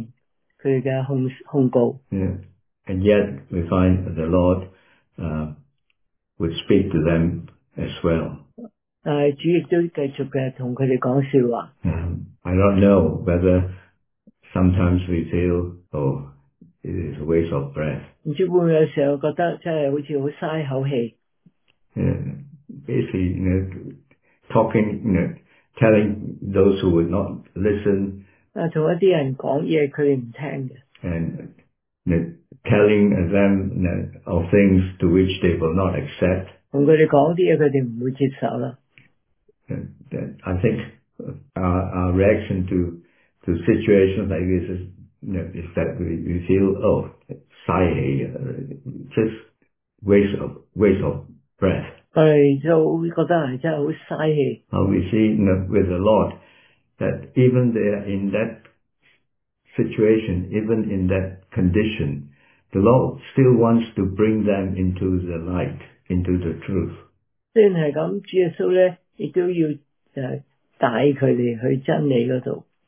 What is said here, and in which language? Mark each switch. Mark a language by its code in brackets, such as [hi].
[zh] 他們的反應,他們的挑戰,他們的控告。 [en] And yet we find the Lord would speak to them as well. [zh] 主亦都繼續跟他們說話。 [en] I don't know whether sometimes we feel, oh, it is a waste of breath. [zh] 你知不知道有時候覺得真的好像很浪費口氣? [en] Basically, talking, telling those who would not listen. [zh] 跟一些人說話,他們不聽的。 [en] And telling them of things to which they will not accept. [zh] 跟他們說話,他們不會接受了。 [en] I think our reaction to situations like this is, is that we feel, oh, sigh, just waste of breath. [zh] 我們就覺得真的很浪費氣。 [en] We see with the Lord that even there in that situation, even in that condition, the Lord still wants to bring them into the light, into the truth. [zh] 雖然是這樣,主耶穌呢, 也都要帶他們去真理那裡。